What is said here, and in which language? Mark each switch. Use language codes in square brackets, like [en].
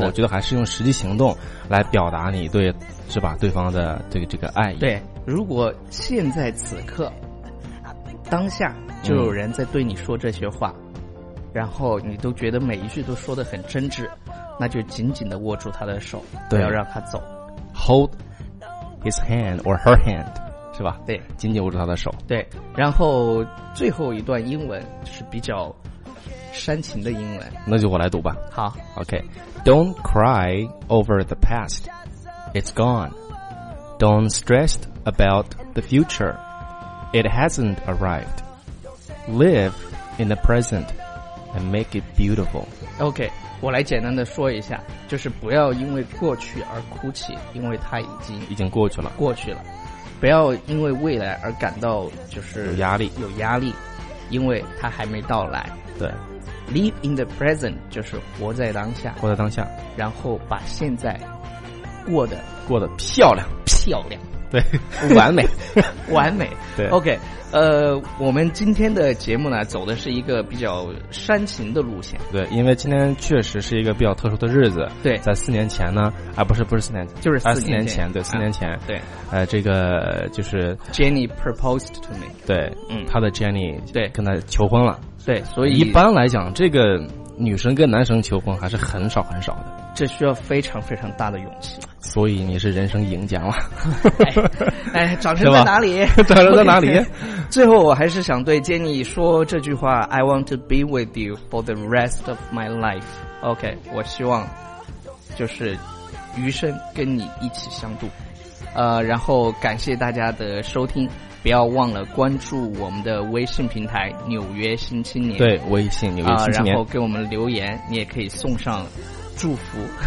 [zh] 我觉得还是用实际行动来表达你对，是吧，对方的这个爱意。对，如果现在此刻当下就有人在对你说这些话，然后你都觉得每一句都说得很真挚，那就紧紧地握住他的手，不要让他走。 [en] Hold his hand or her hand， [zh] 是吧？对，紧紧握住他的手。对，然后最后一段英文就是比较煽情的英文，那就我来读吧。好。 [en] OK， Don't cry over the past, it's gone. Don't stress about the future, it hasn't arrived. Live in the present and make it beautiful. [zh] OK， 我来简单的说一下，就是不要因为过去而哭泣，因为它已经过去了，过去了。不要因为未来而感到就是有压力，因为它还没到来。对。 [en] Live in the present [zh] 就是活在当下，活在当下，然后把现在过得漂亮漂亮，对，完美完美。对，OK， 我们今天的节目呢，走的是一个比较煽情的路线。对，因为今天确实是一个比较特殊的日子。对，在四年前呢，不是四年，就是四年前，对，四年前，对，这个就是 [en] Jenny proposed to me， [zh] 对，他的 Jenny 对跟他求婚了。对，所以一般来讲，这个女生跟男生求婚还是很少很少的，这需要非常非常大的勇气。所以你是人生赢家了。哎，掌声在哪里？掌声在哪里？最后，我还是想对 Jenny 说这句话 [en] ：I want to be with you for the rest of my life. [zh] OK， 我希望就是余生跟你一起相度。然后感谢大家的收听。不要忘了关注我们的微信平台纽约新青年，对，微信纽约新青年，然后给我们留言，你也可以送上祝福。